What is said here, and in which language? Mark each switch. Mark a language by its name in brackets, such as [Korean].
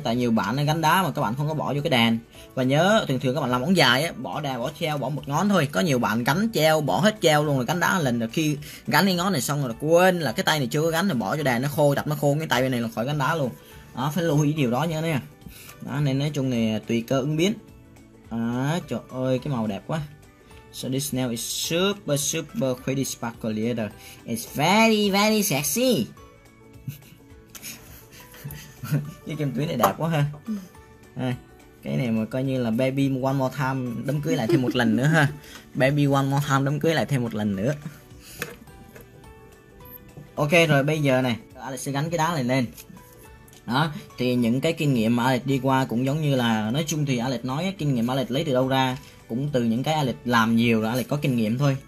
[Vietnamese] Tại nhiều bạn gắn đá mà các bạn không có bỏ vô cái đèn. Và nhớ thường thường các bạn làm móng dài á, bỏ đèn, bỏ treo, bỏ một ngón thôi. Có nhiều bạn gắn treo, bỏ hết treo luôn rồi gắn đá lần, rồi khi gắn cái ngón này xong rồi quên là cái tay này chưa có gắn, rồi bỏ cho đèn nó khô, đập nó khô cái tay bên này là khỏi gắn đá luôn. Đó, phải lưu ý điều đó nhớ nha. Đó, nên nói chung này tùy cơ ứng biến. À, trời ơi cái màu đẹp quá. [English] So this nail is super super pretty sparkly. It's very very sexy. [Vietnamese] Cái kim tuyến này đẹp quá ha. Cái này mà coi như là [English] baby one more time [Vietnamese] đám cưới lại thêm một lần nữa ha. [English] Baby one more time [Vietnamese] đám cưới lại thêm một lần nữa. Ok rồi bây giờ này Alex sẽ gắn cái đá này lên. Đó, thì những cái kinh nghiệm mà Alex đi qua cũng giống như là, nói chung thì Alex nói kinh nghiệm Alex lấy từ đâu ra cũng từ những cái Alex làm nhiều rồi Alex có kinh nghiệm thôi.